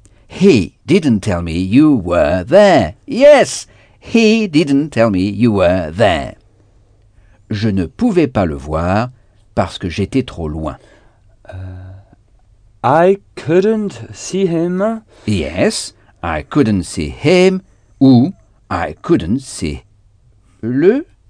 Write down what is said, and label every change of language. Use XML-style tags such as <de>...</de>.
<en>He didn't tell me you were there. Yes, he didn't tell me you were there.</en> <fr>Je ne pouvais pas le voir parce que j'étais trop loin.</fr> <en>I couldn't see him. Yes. I couldn't see him, ou I couldn't see le...</en>